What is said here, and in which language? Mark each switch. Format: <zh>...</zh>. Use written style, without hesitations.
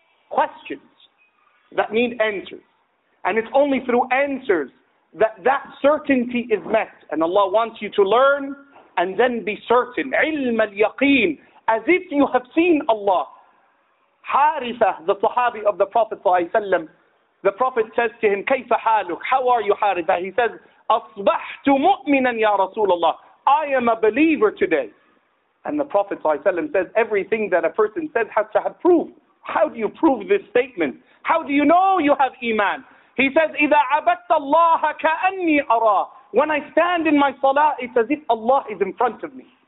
<en>Questions that need answers. And it's only through answers that certainty is met. And Allah wants you to learn and then be certain.</en> <ar>علم اليقين,</ar> <en>as if you have seen Allah. Haritha, the Sahabi of the Prophet ﷺ, the Prophet says to him,</en> <ar>كيف حالك?</ar> <en>How are you, Haritha?</en> <ar>He says, أصبحت مؤمنا يا رسول الله.</ar> <en>I am a believer today. And the Prophet ﷺ says, everything that a person says has to have proof. How do you prove this statement? How do you know you have iman? He says,</en> <ar>إِذَا عَبَدْتَ اللَّهَ كَأَنِّي أَرَاهُ.</ar> <en>When I stand in my salah, it's as if Allah is in front of me.</en>